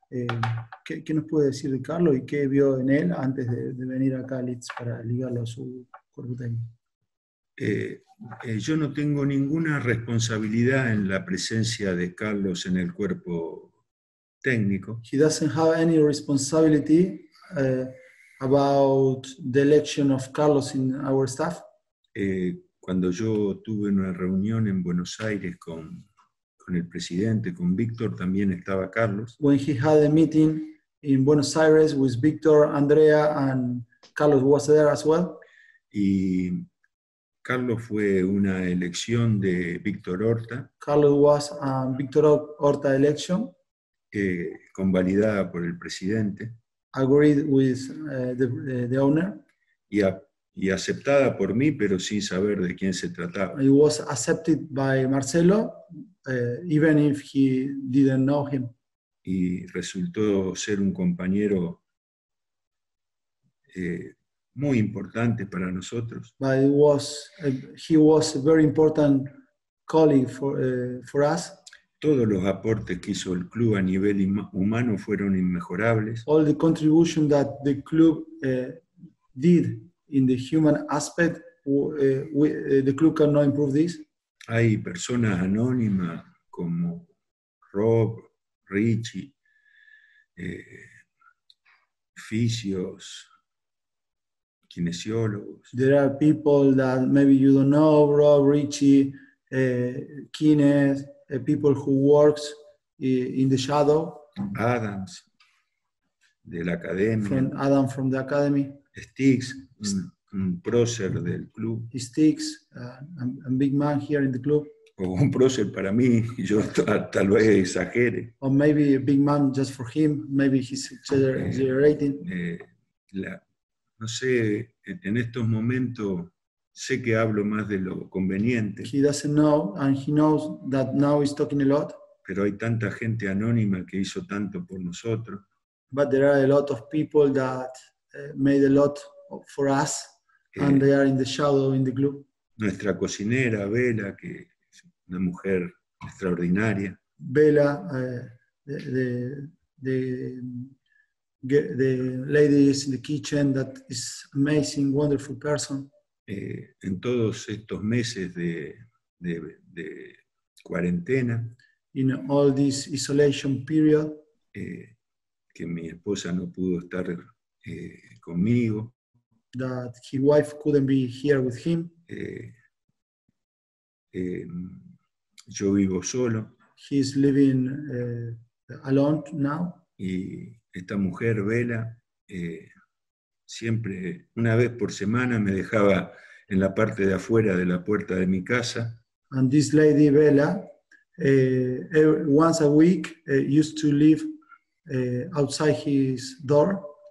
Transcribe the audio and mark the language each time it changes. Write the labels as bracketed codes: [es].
[es] ¿Qué nos puede decir de Carlos y qué vio en él antes de venir acá a Leeds para ligarlo a su cuerpo técnico? Yo no tengo ninguna responsabilidad en la presencia de Carlos en el cuerpo técnico. [en] He doesn't have any responsibility about the election of Carlos in our staff. [es] Cuando yo tuve una reunión en Buenos Aires con el presidente, con Víctor, también estaba Carlos. [en] When he had a meeting in Buenos Aires with Víctor, Andrea, and Carlos was there as well. [es] Y Carlos fue una elección de Víctor Horta. [en] Carlos was a Víctor Horta election. [es] Convalidada por el presidente. [en] Agreed with the owner. [es] Y aceptada por mí, pero sin saber de quién se trataba. [en] It was accepted by Marcelo, even if he didn't know him. [es] Y resultó ser un compañero muy importante para nosotros. [en] But it was, he was a very important colleague for us. [es] Todos los aportes que hizo el club a nivel humano fueron inmejorables. [en] All the contribution that the club did in the human aspect, the club cannot improve this. [es] Hay personas anónimas como Rob, Richie, fisios, kinesiólogos. [en] There are people that maybe you don't know, Rob, Richie, kines, people who works in the shadow. [es] Adams, de la academia. [en] From Adam from the academy. [es] Sticks. Un prócer del club. [en] Sticks, a big man here in the club. [es] O un prócer para mí, yo tal vez exagere. [en] Or maybe a big man just for him, maybe he's exaggerating. [es] No sé, en estos momentos sé que hablo más de lo conveniente. [en] He doesn't know, and he knows that now he's talking a lot. [es] Pero hay tanta gente anónima que hizo tanto por nosotros. [en] But there are a lot of people that made a lot for us, and they are in the shadow in the club. [es] Nuestra cocinera Bella, que es una mujer extraordinaria. [en] Bella, the lady is in the kitchen that is amazing, wonderful person. [es] En todos estos meses de cuarentena. [en] In all this isolation period. [es] Que mi esposa no pudo estar conmigo. [en] That his wife couldn't be here with him. [es] Yo vivo solo. [en] He's living alone now. [es] Y esta mujer, Bella, siempre, una vez por semana, me dejaba en la parte de afuera de la puerta de mi casa. [en] And this lady, Bella, once a week used to live outside his door.